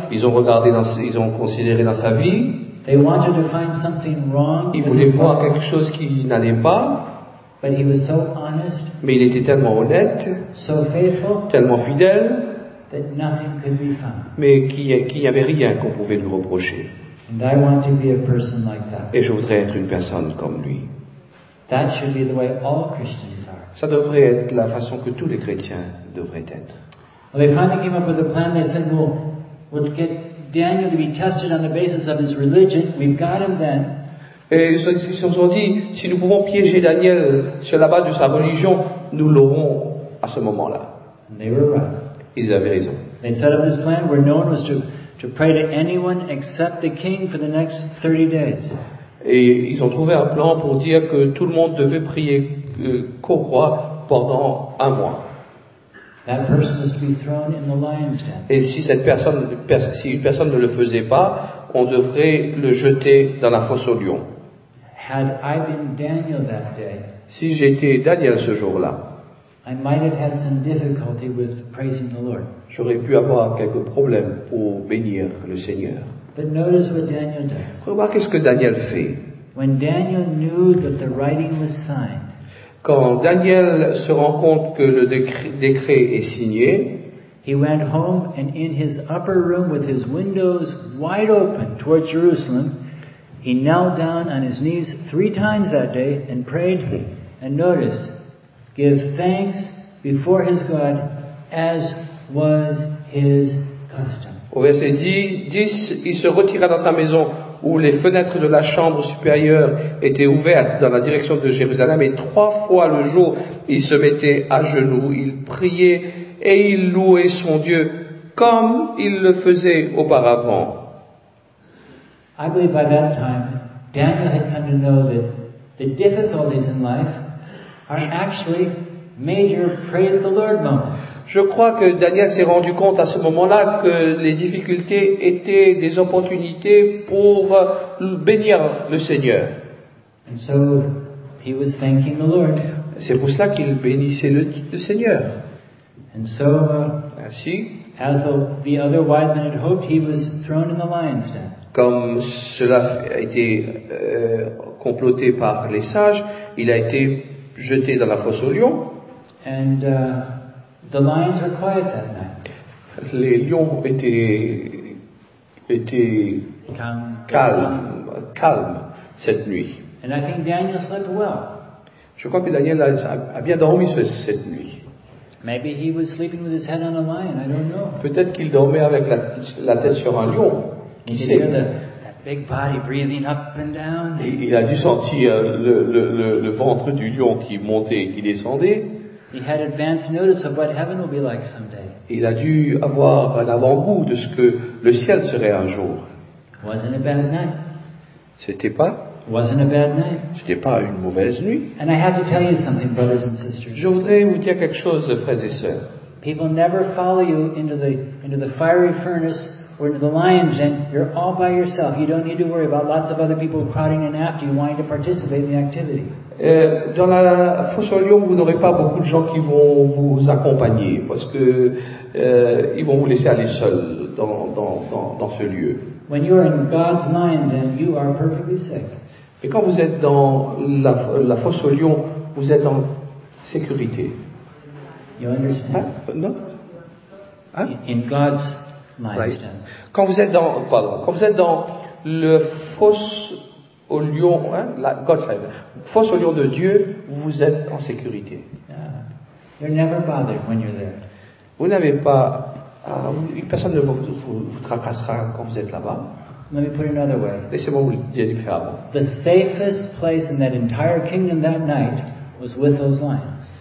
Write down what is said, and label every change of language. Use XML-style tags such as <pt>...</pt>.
<fr>Ils ont considéré dans sa vie.</fr> <en>They wanted to find something wrong.</en> <fr>Ils voulaient voir quelque chose qui n'allait pas.</fr> <en>But he was so honest,</en> <fr>mais il était tellement honnête,</fr> <en>so faithful,</en> <fr>tellement fidèle,</fr> <en>that nothing could be found.</en> <fr>Mais qu'il n'y avait rien qu'on pouvait lui reprocher.</fr> <en>And I want to be a person like that.</en> <fr>Et je voudrais être une personne comme lui.</fr> <en>That should be the way all Christians are.</en> <fr>Ça devrait être la façon que tous les chrétiens devraient être.</fr> <en>Well, they finally came up with a plan. They said, "Well, we'll get Daniel to be tested on the basis of his religion. We've got him then."</en> <fr>Et ils se sont dit, si nous pouvons piéger Daniel sur la base de sa religion, nous l'aurons à ce moment-là.</fr> <en>And they were right.</en> <fr>Ils avaient raison.</fr> <en>They set up this plan where no one was to pray to anyone except the king for the next 30 days.</en> <fr>Et ils ont trouvé un plan pour dire que tout le monde devait prier qu'au roi pendant un mois.</fr> <en>That person must be thrown in the lion's den.</en> <fr>Et si cette personne, si une personne ne le faisait pas, on devrait le jeter dans la fosse au lion.</fr> <en>Had I been Daniel that day,</en> <fr>si j'étais Daniel ce jour-là,</fr> <en>I might have had some difficulty with praising the Lord.</en> <fr>J'aurais pu avoir quelques problèmes pour bénir le Seigneur.</fr> <en>But notice what Daniel does.</en> <fr>Remarquez ce que Daniel fait.</fr> <en>When Daniel knew that the writing was signed,</en> <fr>quand Daniel se rend compte que le décret est signé,</fr> <en>he went home and in his upper room with his windows wide open towards Jerusalem, he knelt down on his knees three times that day and prayed, and notice, give thanks before his God as was his custom.</en> <fr>Au verset 10, il se retira dans sa maison où les fenêtres de la chambre supérieure étaient ouvertes dans la direction de Jérusalem et trois fois le jour, il se mettait à genoux, il priait et il louait son Dieu comme il le faisait auparavant.</fr> <en>I believe by that time, Daniel had come to know that the difficulties in life are actually major praise the Lord moments.</en> <fr>Je crois que Daniel s'est rendu compte à ce moment-là que les difficultés étaient des opportunités pour bénir le Seigneur.</fr> <en>And so he was thanking the Lord.</en> <fr>C'est pour cela qu'il bénissait le Seigneur.</fr> <en>And so,</en> <fr>ainsi,</fr> <en>as the other wise men had hoped, he was thrown in the lion's den.</en> <fr>Comme cela a été comploté par les sages, il a été jeté dans la fosse au lion.</fr> <en>And the lions were quiet that night.</en> <fr>Les lions étaient calmes cette nuit.</fr> <en>And I think Daniel slept well.</en> <fr>Je crois que Daniel a bien dormi cette nuit.</fr> <en>Maybe he was sleeping with his head on a lion. I don't know.</en> <fr>Peut-être qu'il dormait avec la tête sur un lion. Qui sait?</fr> <en>He could hear that big body breathing up and down.</en> <fr>Il a dû sentir le ventre du lion qui montait et qui descendait.</fr> <en>He had advance notice of what heaven will be like someday.</en> <fr>Il a dû avoir un avant-goût de ce que le ciel serait un jour.</fr> <en>Wasn't a bad night.</en> <fr>C'était pas.</fr> <en>Wasn't a bad night.</en> <fr>C'était pas une mauvaise nuit.</fr> <en>And I have to tell you something, brothers and sisters.</en> <fr>Je voudrais vous dire quelque chose, frères et sœurs.</fr> <en>People never follow you into the fiery furnace or into the lion's den. You're all by yourself. You don't need to worry about lots of other people crowding in after you wanting to participate in the activity.</en> <fr>Dans la fosse au lion, vous n'aurez pas beaucoup de gens qui vont vous accompagner parce que ils vont vous laisser aller seul dans ce lieu.</fr> <en>When you are in God's mind, then you are perfectly safe.</en> <fr>Et quand vous êtes dans la fosse au lion, vous êtes en sécurité.</fr> <en>You understand?</en> <fr>Hein? Non?</fr> <en>Hein? In God's mind. Right.</en> <fr>Quand vous êtes dans le fosse au lion, hein, la</fr> <en>God's side,</en> <fr>fosse au lion de Dieu, vous êtes en sécurité.</fr> <en>You're never bothered when you're there.</en> <fr>Vous n'avez pas, personne ne vous tracassera quand vous êtes là-bas.</fr> <en>Let me put it another way.</en> <fr>Laissez-moi vous le dire différemment.</fr> <en>The safest place in that entire kingdom that night was with those lions.</en>